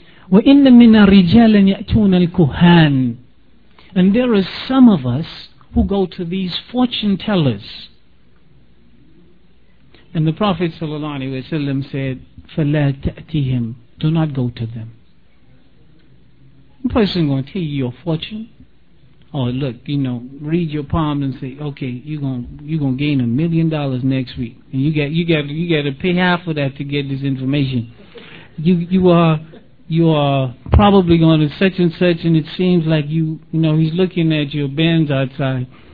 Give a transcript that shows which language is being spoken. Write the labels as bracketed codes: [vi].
[ar] وإن من الرجال يأتون الكهان. [en] And there are some of us who go to these fortune tellers. And the Prophet [ar] صلى الله عليه وسلم [en] said, [ar] فلا تأتيهم. [en] Do not go to them. Person going to tell you your fortune, or look, you know, read your palms and say, okay, you're gonna gain $1 million next week, and you got to pay half of that to get this information. You are probably going to such and such, and it seems like you know, he's looking at your Benz outside.